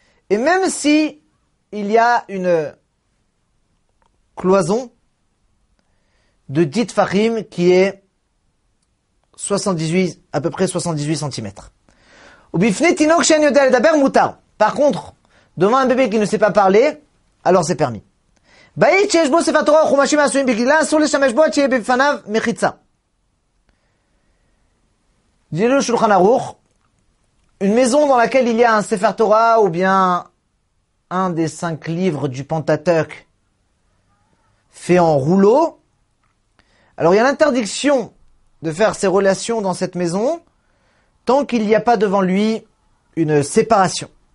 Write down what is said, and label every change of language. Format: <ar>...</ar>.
<fr>Et même si il y a une cloison de 10 tfachim qui est 78, à peu près 78 centimètres.</fr> <he>Ou bifne tinok shen yode al daber moutar.</he> <fr>Par contre, devant un bébé qui ne sait pas parler, alors c'est permis.</fr> <he>בית שיש בו ספר תורה או חומשים עשויים בגלילה, אסור לשמש בו עד שיהיה בפניו מחיצה. דילו שולחן ערוך,</he> <fr>une maison dans laquelle il y a un ספר תורה ou bien un des cinq livres du Pentateuch fait en rouleau, alors il y a l'interdiction de faire ses relations dans cette maison tant qu'il n'y a pas devant lui une séparation.</fr>